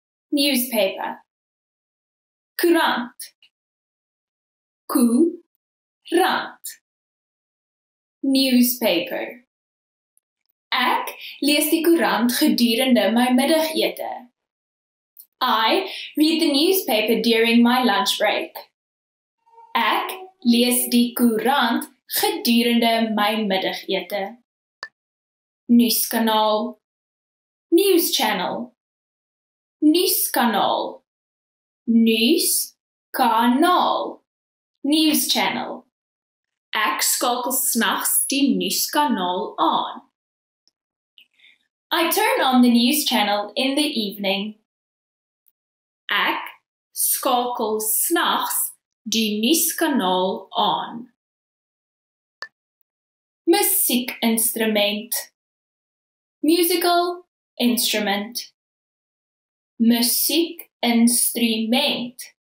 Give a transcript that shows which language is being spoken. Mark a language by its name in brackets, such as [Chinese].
[English] Newspaper. [Afrikaans] Courant. Courant. [English] Newspaper. [Afrikaans] Ek lees die koerant gedurende my middagete. [English] I read the newspaper during my lunch break. [Afrikaans] Ek lees die koerant gedurende my middagete. Nuuskanaal. [English] News channel. [Afrikaans] Nuuskanaal. Nuuskanaal. [English] News channel. [Afrikaans] Ek skakel 's nachts die nuuskanaal aan. [English] I turn on the news channel in the evening. [Afrikaans] Ek skakel 's nachts die nuuskanaal aan. Musiekinstrument. [English] Musical instrument. [Afrikaans] Musiekinstrument.